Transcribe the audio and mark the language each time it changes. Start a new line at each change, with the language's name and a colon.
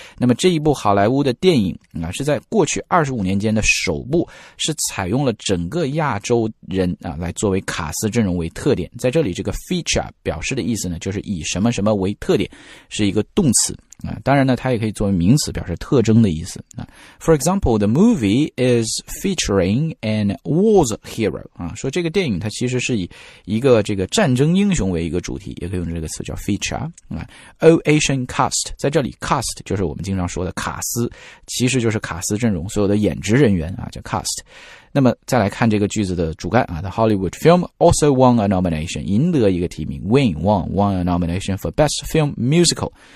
Chinese: 那么这一部好莱坞的电影啊，是在过去25年间的首部，是采用了整个亚洲人啊来作为卡斯阵容为特点。在这里这个 feature 表示的意思呢，就是以什么什么为特点，是一个动词。当然呢它也可以作为名词表示特征的意思。
English: For example, the movie is featuring an war's hero.
Chinese: 说这个电影它其实是以一个这个战争英雄为一个主题也可以用这个词叫 feature. All-Asian cast, 在这里 cast 就是我们经常说的卡斯其实就是卡斯阵容所有的演职人员啊叫 cast。那么再来看这个句子的主干啊
English: ,The Hollywood film also won a nomination,
Chinese: 赢得一个提名
English: ,won a nomination for Best Film Musical.